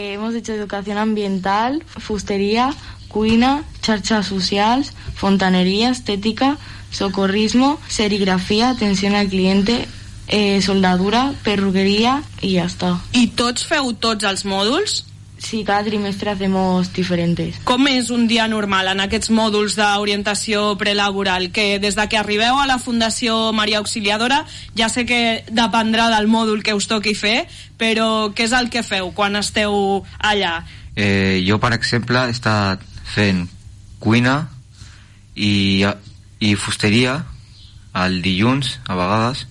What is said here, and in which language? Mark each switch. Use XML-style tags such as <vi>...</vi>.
<es>Hemos hecho educación ambiental, fusteria, cuina, xarxes socials, fontaneria, estètica, socorrismo, serigrafia, atenció al cliente, soldadura, perruqueria</es> <ca>i ja està. I tots feu tots els mòduls?</ca> <es>Sí, cada trimestre hacemos diferentes.</es> <ca>Com és un dia normal en aquests mòduls d'orientació prelaboral? Que des de que arribeu a la Fundació Maria Auxiliadora, ja sé que dependrà del mòdul que us toqui fer, però què és el que feu quan esteu allà? Jo, per exemple, he estat fent cuina i fusteria el dilluns, a vegades.</ca>